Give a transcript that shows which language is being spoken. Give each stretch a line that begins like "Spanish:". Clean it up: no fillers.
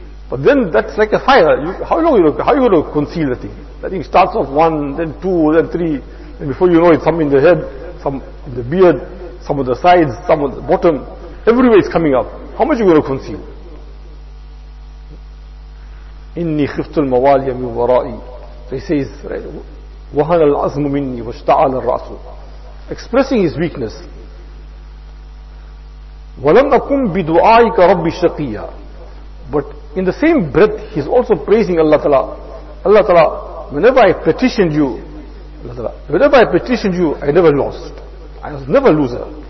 English: But then that's like a fire. How are you going to conceal the thing? That thing starts off one, then two, then three. And before you know it, some in the head, some in the beard, some on the sides, some on the bottom. Everywhere it's coming up. How much are you going to conceal?
Arabic: إِنِّي خِفْتُ الْمَوَالِيَ مِنْ وَرَائِي.
English: So he says,
Arabic: وَهَنَ الْعَزْمُ مِنِّي وَاشْتَعَلَ الرَّأْسُ.
English: Expressing his weakness.
Arabic: وَلَمْ أَكُمْ بِدُعَائِكَ رَبِّ شَقِيًّا.
English: But in the same breath, he's also praising Allah Ta'ala. Allah Ta'ala, whenever I petitioned you, Allah Ta'ala, whenever I petitioned you, I never lost. I was never a loser.